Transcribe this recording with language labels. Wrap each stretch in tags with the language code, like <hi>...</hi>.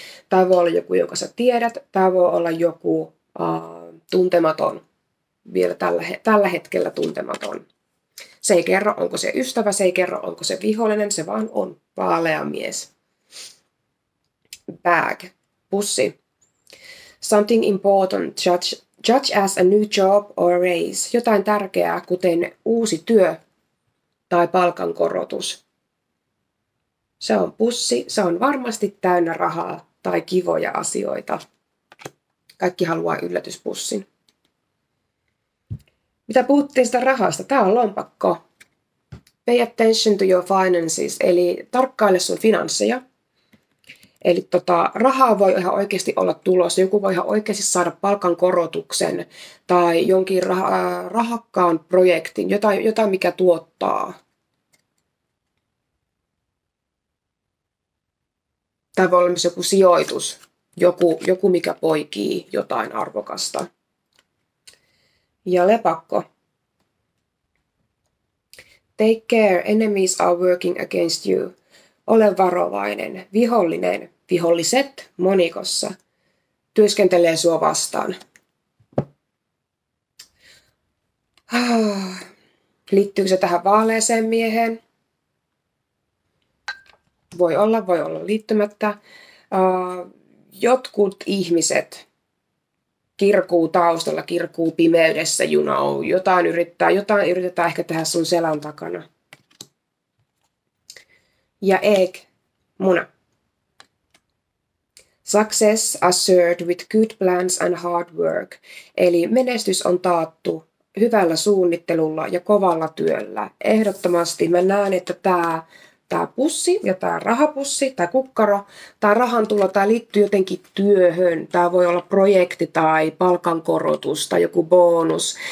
<fi>Tai voi olla joku, jonka sä tiedät. Tai voi olla joku tuntematon, vielä tällä hetkellä tuntematon. Se ei kerro, onko se ystävä, se ei kerro, onko se vihollinen, se vaan on vaalea mies. Bag, pussi.</fi> <en>Something important, judge as a new job or raise.</en> <fi>Jotain tärkeää, kuten uusi työ tai palkankorotus. Se on pussi, se on varmasti täynnä rahaa tai kivoja asioita. Kaikki haluaa yllätyspussin. Mitä puhuttiin sitä rahasta? Tää on lompakko.</fi> <en>Pay attention to your finances,</en> <fi>eli tarkkaile sun finansseja. Eli rahaa voi ihan oikeasti olla tulossa. Joku voi ihan oikeasti saada palkankorotuksen tai jonkin rahakkaan projektin, jotain mikä tuottaa. Tämä voi olla myös joku sijoitus, joku mikä poikii jotain arvokasta. Ja lepakko.</fi> <en>Take care, enemies are working against you.</en> <fi>Ole varovainen, vihollinen, viholliset monikossa työskentelee sua vastaan. Liittyykö se tähän vaaleeseen mieheen? Voi olla liittymättä. Jotkut ihmiset kirkuu taustalla, kirkuu pimeydessä,</fi> <en>you know.</en> <fi>Jotain yritetään ehkä tehdä sun selän takana. Ja egg, muna.</fi> <en>Success assured with good plans and hard work.</en> <fi>Eli menestys on taattu hyvällä suunnittelulla ja kovalla työllä. Ehdottomasti mä näen, että tämä pussi ja tämä rahapussi, tämä kukkaro, tämä rahantulo, tämä liittyy jotenkin työhön. Tämä voi olla projekti tai palkankorotus tai joku bonus.</fi>